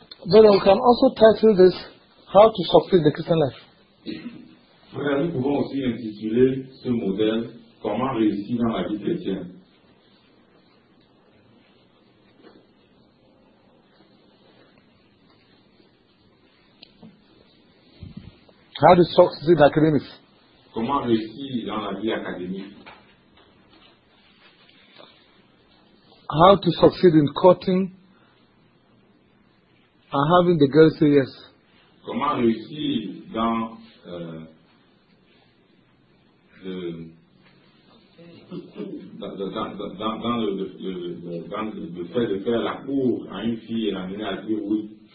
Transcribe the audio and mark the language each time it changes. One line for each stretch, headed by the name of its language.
English: Then we can also title this How to Succeed the Christian Life.
French: Frère, nous pouvons aussi intituler ce modèle Comment réussir dans la vie chrétienne.
English: How to succeed in academics?
French: Comment réussir dans la vie académique?
English: How to succeed in courting and having the girl say yes?
French: Comment réussir dans le fait de faire la cour à une fille et l'amener à dire oui?